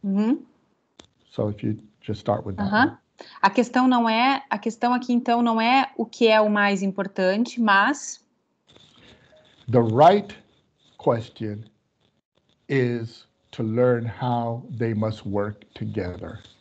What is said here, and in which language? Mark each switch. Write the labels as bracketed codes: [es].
[en] Mm-hmm. So if you just start with that. Uh-huh. [pt] A questão aqui então não é o que é o mais importante, mas [en] the right question is to learn how they must work together.